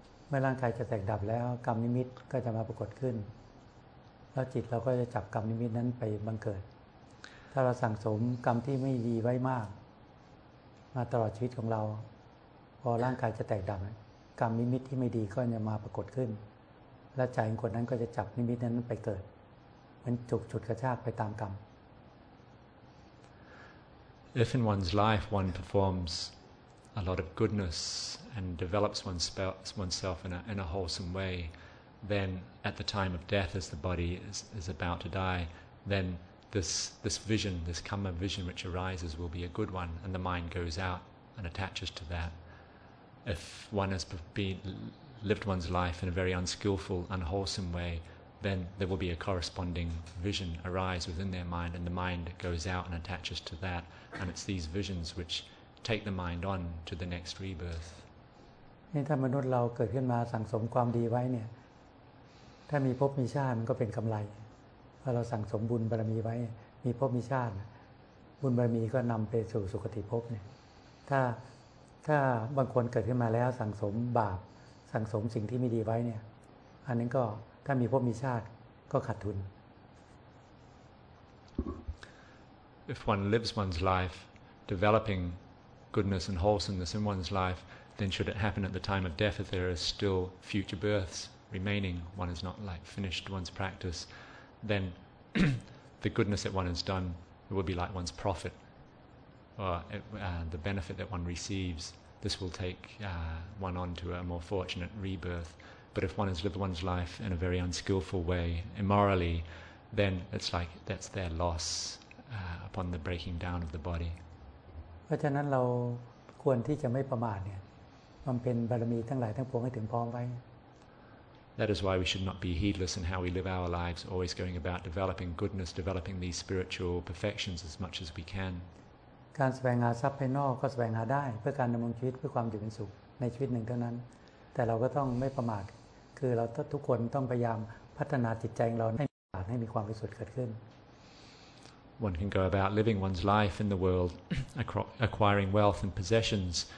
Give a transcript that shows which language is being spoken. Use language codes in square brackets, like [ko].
[th] เมื่อร่างกายจะแตกดับแล้วกรรมนิมิตก็จะมาปรากฏขึ้นแล้วจิตเราก็จะจับกรรมนิมิตนั้นไปบังเกิดถ้าเราสั่งสมกรรมที่ไม่ดีไว้มากมาตลอดชีวิตของเราพอร่างกายจะแตกดับกรรมนิมิตที่ไม่ดีก็จะมาปรากฏขึ้นและใจของคนนั้นก็จะจับนิมิตนั้นไปเกิดมันจุกฉุดกระชากไปตามกรรม [en] If in one's life one performs a lot of goodnessand develops oneself in a wholesome way, then at the time of death, as the body is about to die, then this vision, this kamma vision which arises will be a good one, and the mind goes out and attaches to that. If one has lived one's life in a very unskillful, unwholesome way, then there will be a corresponding vision arise within their mind, and the mind goes out and attaches to that, and it's these visions which take the mind on to the next rebirth. [th] นี่ถ้ามนุษย์เราเกิดขึ้นมาสั่งสมความดีไว้เนี่ยถ้ามีภพมีชาติมันก็เป็นกำไรพอเราสั่งสมบุญบารมีไว้มีภพมีชาติบุญบารมีก็นำไปสู่สุคติภพเนี่ยถ้าบางคนเกิดขึ้นมาแล้วสั่งสมบาปสั่งสมสิ่งที่ไม่ดีไว้เนี่ยอันนั้นก็ถ้ามีภพมีชาติก็ขาดทุน [en] If one lives one's life developing goodness and wholesomeness in one's lifeThen should it happen at the time of death, if there are still future births remaining, one has not finished one's practice, then the goodness that one has done will be like one's profit, the benefit that one receives. This will take one on to a more fortunate rebirth. But if one has lived one's life in a very unskillful way, immorally, then it's like that's their loss upon the breaking down of the body. [th] เพราะฉะนั้นเราควรที่จะไม่ประมาทเนี่ยมันเป็นบารมีทั้งหลายทั้งปวงให้ถึงพร้อมไว้ [en] That is why we should not be heedless in how we live our lives always going about developing goodness developing these spiritual perfections as much as we can [th] การแสวงหาทรัพย์ภายนอกก็แสวงหาได้เพื่อการดำรงชีวิตเพื่อความอยู่เป็นสุขในชีวิตหนึ่งเท่านั้นแต่เราก็ต้องไม่ประมาท คือเราทุกคนต้องพยายามพัฒนาจิตใจของเราให้มีความสะอาดให้มีความบริสุทธิ์เกิดขึ้น [en] One can go about living one's life in the world acquiring wealth and possessions